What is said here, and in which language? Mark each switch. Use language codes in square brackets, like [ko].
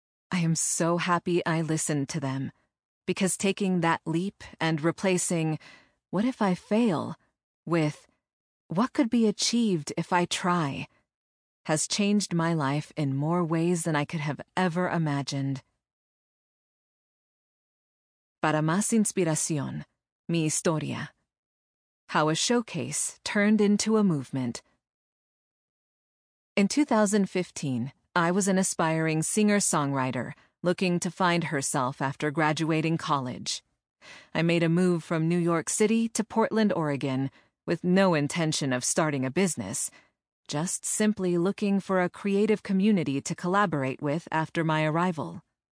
[en] I am so happy I listened to them, because taking that leap and replacing "what if I fail" with "what could be achieved if I try" has changed my life in more ways than I could have ever imagined. [es] Para más inspiración, mi historia. [en] How a showcase turned into a movement. In 2015, I was an aspiring singer-songwriter looking to find herself after graduating college. I made a move from New York City to Portland, Oregon, with no intention of starting a business, just simply looking for a creative community to collaborate with after my arrival.